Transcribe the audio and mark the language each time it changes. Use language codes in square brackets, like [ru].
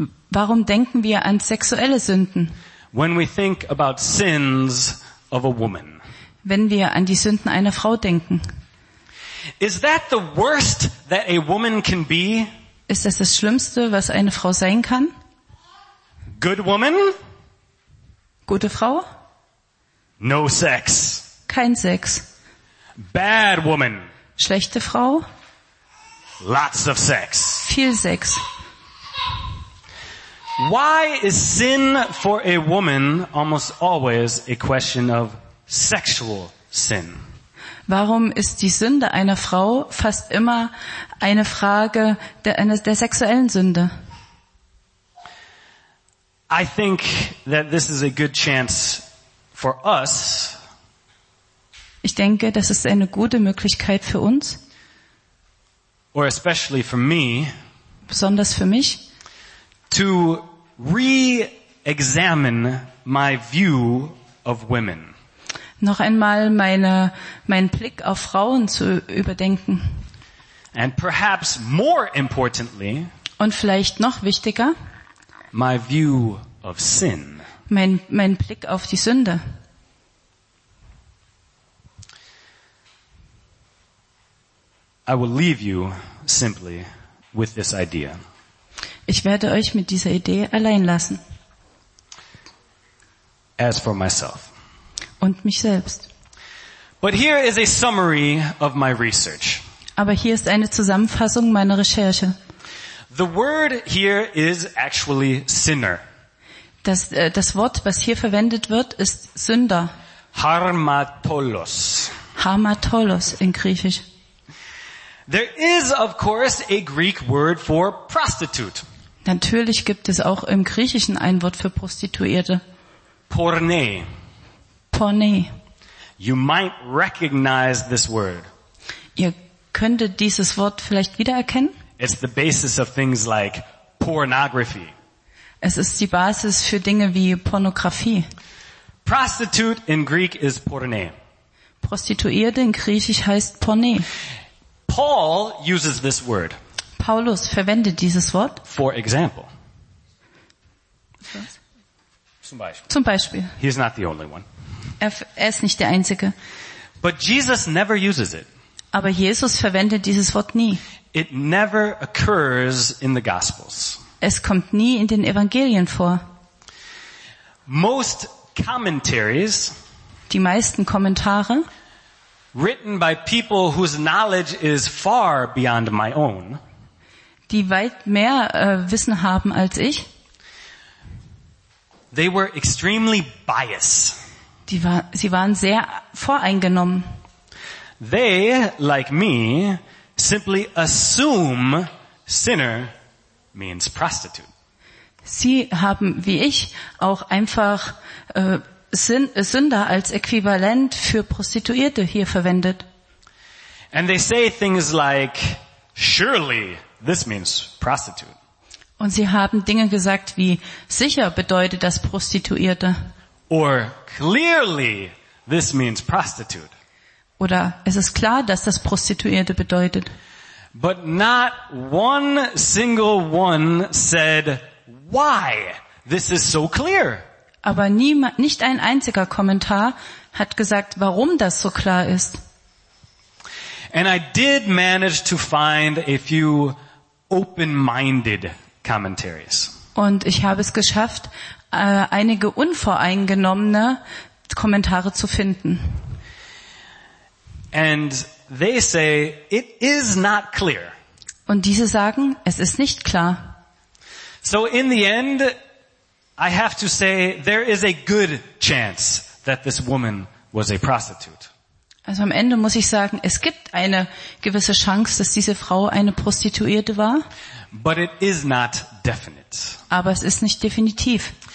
[de] Warum denken wir an sexuelle Sünden? [en] When we think about sins of a woman. [de] Wenn wir an die Sünden einer Frau denken. [en] Is that the worst that a woman can be? [de] Ist das das Schlimmste, was eine Frau sein kann? [en] Good woman? [de] Gute Frau? [en] No sex. [de] Kein Sex. [en] Bad woman? [de] Schlechte Frau? [en] Lots of sex. [de] Viel Sex. [en] Why is sin for a woman almost always a question of sexual sin? [de] Warum ist die Sünde einer Frau fast immer eine Frage der sexuellen Sünde? [en] I think that this is a good chance for us. [de] Ich denke, das ist eine gute Möglichkeit für uns. [en] Or especially for me. [de] Besonders für mich. [en] To re-examine my view of women. [de] Noch einmal meinen Blick auf Frauen zu überdenken. [en] And perhaps more importantly, [de] und vielleicht noch wichtiger, [en] my view of sin. [de] Mein Blick auf die Sünde. [en] I will leave you simply with this idea. [de] Ich werde euch mit dieser Idee allein lassen. [en] As for myself. [de] Und mich selbst. [en] But here is a summary of my research. [de] Aber hier ist eine Zusammenfassung meiner Recherche. [en] The word here is actually sinner. [de] Das Wort, was hier verwendet wird, ist Sünder. [el] Harmatolos. [de] Harmatolos in Griechisch. [en] There is of course a Greek word for prostitute. [de] Natürlich gibt es auch im Griechischen ein Wort für Prostituierte. [el] Porne. [de] Porne. [en] You might recognize this word. [de] Ihr könntet dieses Wort vielleicht wiedererkennen. [en] It's the basis of things like pornography. [de] Es ist die Basis für Dinge wie Pornografie. [en] Prostitute in Greek is porne. [de] Prostituierte in Griechisch heißt porne. [en] Paul uses this word. [de] Paulus verwendet dieses Wort. [en] For example. [de] Zum Beispiel. [en] He's not the only one. [de] Er ist nicht der Einzige. [en] But Jesus never uses it. [de] Aber Jesus verwendet dieses Wort nie. [en] It never occurs in the Gospels. [de] Es kommt nie in den Evangelien vor. [en] Most commentaries. [de] Die meisten Kommentare. [en] Written by people whose knowledge is far beyond my own. [de] Die weit mehr Wissen haben als ich. [en] They were extremely biased. [de] Sie waren sehr voreingenommen. [en] They, like me, simply assume sinner means prostitute. [de] Sie haben, wie ich, auch einfach Sünder als Äquivalent für Prostituierte hier verwendet. [en] And they say things like, surely this means prostitute. [de] Und sie haben Dinge gesagt wie, sicher bedeutet das Prostituierte. [en] Or clearly this means prostitute. [de] Oder es ist klar, dass das Prostituierte bedeutet. [en] But not one single one said why this is so clear. [de] Aber nicht ein einziger Kommentar hat gesagt, warum das so klar ist. [en] And I did manage to find a few open-minded commentaries. [de] Und ich habe es geschafft, einige unvoreingenommene Kommentare zu finden. [en] And they say it is not clear. [de] Und diese sagen, es ist nicht klar. [en] So in the end, I have to say there is a good chance that this woman was a prostitute. [de] Also am Ende muss ich sagen, es gibt eine gewisse Chance, dass diese Frau eine Prostituierte war. [en] But it is not definite. [de] Aber es ist nicht definitiv.